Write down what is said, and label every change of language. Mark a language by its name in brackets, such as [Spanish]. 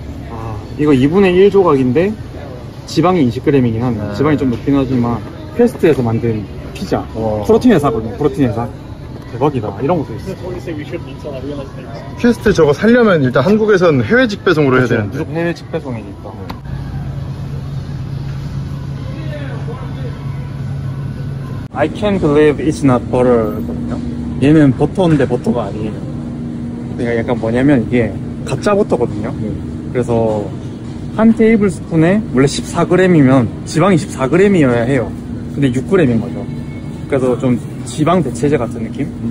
[Korean] 아 이거 2분의 1 조각인데 지방이 20g이긴 한데 지방이 좀 높긴 하지만 퀘스트에서 만든 피자. 프로틴 회사거든요. 프로틴 회사. 대박이다. 이런 것도 있어. 퀘스트 저거 살려면 일단 한국에선 해외 직배송으로 그렇죠. 해야 되는데 무조건 해외 직배송이니까. 네. [English] I can't believe it's not butter. [Korean] 얘는 버터인데 버터가 아니에요. 약간 뭐냐면 이게 가짜 버터거든요. 그래서 한 테이블 스푼에 원래 14g이면 지방이 14g이어야 해요. 근데 6g인 거죠. 그래서 좀 지방 대체제 같은 느낌?